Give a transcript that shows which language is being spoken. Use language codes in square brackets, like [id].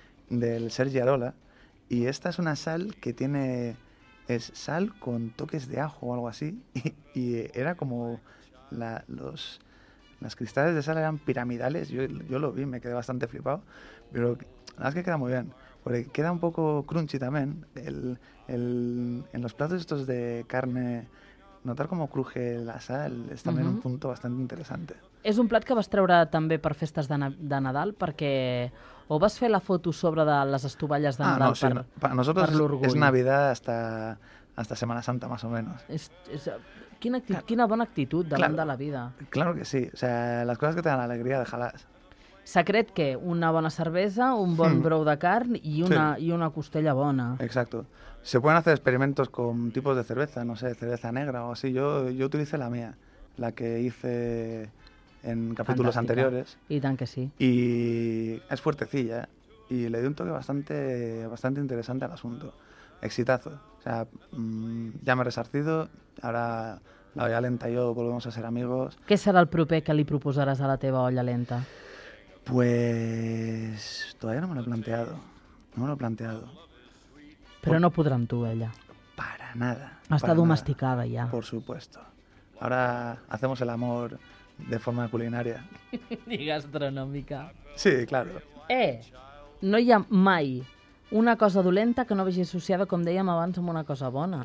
[es] Del Sergi Arola, y esta es una sal que tiene, es sal con toques de ajo o algo así, y era como las cristales de sal eran piramidales, yo lo vi, me quedé bastante flipado, pero la verdad es que queda muy bien. Porque queda un poco crunchy también en los platos estos de carne. [ca] Notar com cruje la sal és també un punt bastant interessant. És un plat que vas treure també per festes de Nadal, perquè o vas fer la foto sobre de les estovalles de Nadal per l'orgull. [es] És Navidad hasta Semana Santa, más o menos. [ca] Quina bona actitud davant de la vida. [es] Claro que sí. O sea, las cosas que te dan alegría, déjalas. [ca] Secret que una bona cervesa, un bon brou de carn i una costella bona. [es] Exacto. Se pueden hacer experimentos con tipos de cerveza, no sé, cerveza negra o así. Yo utilicé la mía, la que hice en capítulos Fantástica. Anteriores. [ca] I tant que sí. [es] Y es fuertecilla y le di un toque bastante bastante interesante al asunto. Exitazo. O sea, ya me he resarcido, ahora la olla lenta y yo volvemos a ser amigos. [ca] ¿Qué será el proper que li proposaràs a la teva olla lenta? [es] Pues todavía no me lo he planteado. No me lo he planteado. [ca] Però no podrà amb tu, ella. [es] Para nada. [ca] Està domesticada, ja. [es] Por supuesto. Ahora hacemos el amor de forma culinaria. [ca] I gastronòmica. [es] Sí, claro. [ca] No hi ha mai una cosa dolenta que no vagi associada, com dèiem abans, amb una cosa bona.